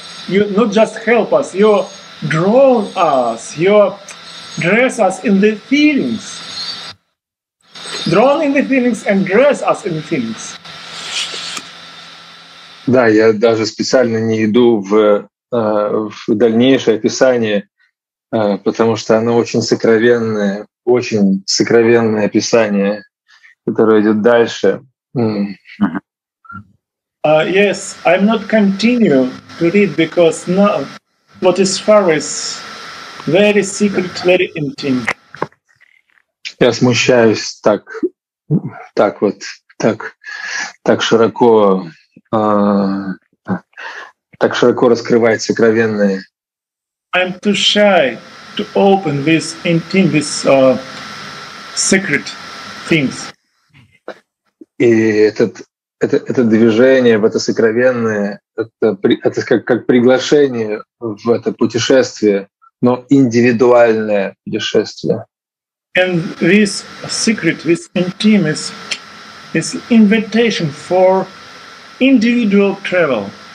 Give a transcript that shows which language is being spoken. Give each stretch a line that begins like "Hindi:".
English: You not just help us, you draw us, you dress us in the feelings. Draw in the feelings and dress us in the feelings.
Russian: Да, я даже специально не иду в дальнейшее описание, потому что оно очень сокровенное описание, которое идет дальше.
English: Yes, I'm not continue to read because now what is far is very secret, very intimate.
Russian: Я смущаюсь так широко. Так широко раскрывает сокровенное.
English: I'm too shy to open this intimate, this secret things.
Russian: И это движение в это сокровенное, это как приглашение в это путешествие, но индивидуальное путешествие.
English: And this secret, this intimate, is invitation for individual travel.